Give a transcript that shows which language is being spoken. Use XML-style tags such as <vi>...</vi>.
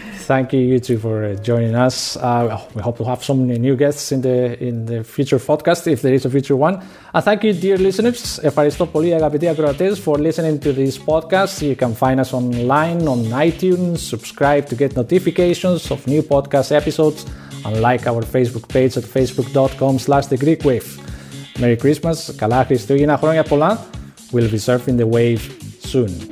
<en>Thank you, you two, for joining us. We hope to have so many new guests in the future podcast, if there is a future one. And thank you, dear listeners,</en> <el>Ευχαριστώ πολύ, αγαπητοί ακροατές,</el> <en>for listening to this podcast. You can find us online on iTunes, subscribe to get notifications of new podcast episodes, and like our Facebook page at facebook.com/thegreekwave. Merry Christmas,</en> <el>καλά Χριστούγεννα, χρόνια πολλά.</el> <en>We'll be surfing the wave soon.</en>